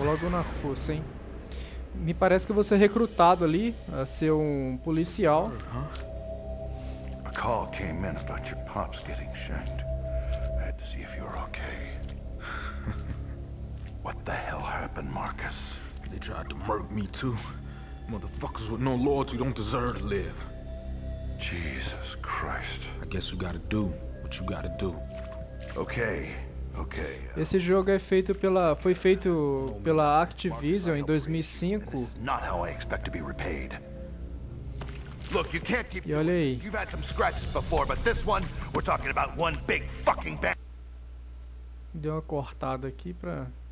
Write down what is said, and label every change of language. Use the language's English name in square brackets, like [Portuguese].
[Portuguese] na força, hein? Me parece que você é recrutado ali a ser um policial. [English] A call came in about your pops getting shanked. I had to see if you were okay. What the hell happened, Marcus? They tried to murk me too. Motherfuckers with no loyalty don't deserve to live. Jesus Christ. I guess you gotta do what you gotta do. Okay. Okay. [Portuguese] Esse jogo é feito pela, foi feito pela Activision em 2005. [English] Not how I expect to be repaid. Look, you can't keep doing this. You've had some scratches before, but this one, we're talking about one big fucking bang. [Portuguese] Deu uma cortada aqui pra...